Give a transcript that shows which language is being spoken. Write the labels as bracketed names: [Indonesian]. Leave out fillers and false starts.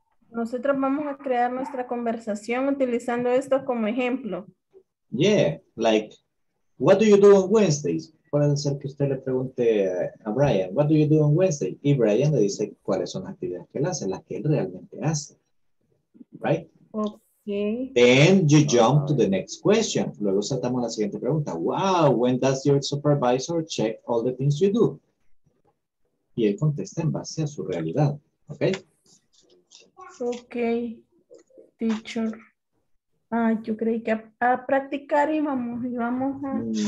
[Spanish] Nosotros vamos a crear nuestra conversación utilizando esto como ejemplo. [English] Yeah, like, what do you do on Wednesdays? [Spanish] Puede ser que usted le pregunte a Brian, [English] what do you do on Wednesday? [Spanish] Y Brian le dice cuáles son las actividades que él hace, las que él realmente hace. [English] Right? Okay. Then you jump to the next question. [Spanish] Luego saltamos la siguiente pregunta. [English] Wow, when does your supervisor check all the things you do? [Spanish] Y él contesta en base a su realidad. [English] Okay? Okay, teacher. [Spanish] Ah, yo creí que a practicar y vamos a...